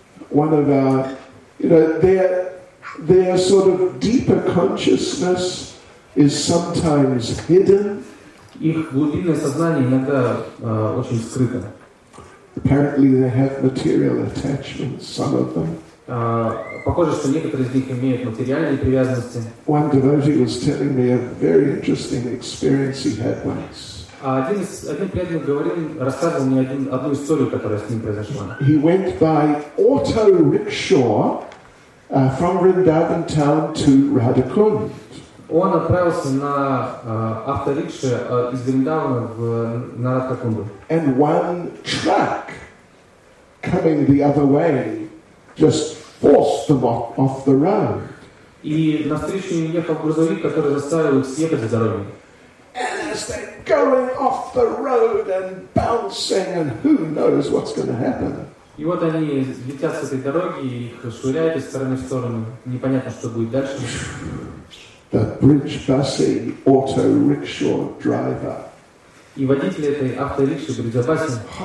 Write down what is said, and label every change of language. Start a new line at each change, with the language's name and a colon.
English: One of our, you know, their sort of deeper consciousness is sometimes hidden.
Russian: Их глубинное сознание иногда очень скрыто.
English: Apparently they have material attachments, some of them.
Russian: Похоже, что некоторые из них имеют материальные привязанности.
English: One devotee was telling me a very interesting experience he had once.
Russian: Один преданный говорил, рассказывал мне одну историю, которая с ним произошла.
English: He went by auto rickshaw from Vrindavan town to Radhakund.
Russian: Он отправился на авторикше из Вриндавана на Радхакунду.
English: And one truck coming the other way just forced them off the road.
Russian: И навстречу ему ехал грузовик, который заставил их съехать с дороги.
English: And as they're going off the road and bouncing, and who knows what's going to happen.
Russian: И вот они летят с этой дороги, и их швыряют из стороны в сторону. Непонятно, что будет дальше.
English: The bridge busing auto rickshaw driver.
Russian: И водитель этой авторикши, бриджабаси,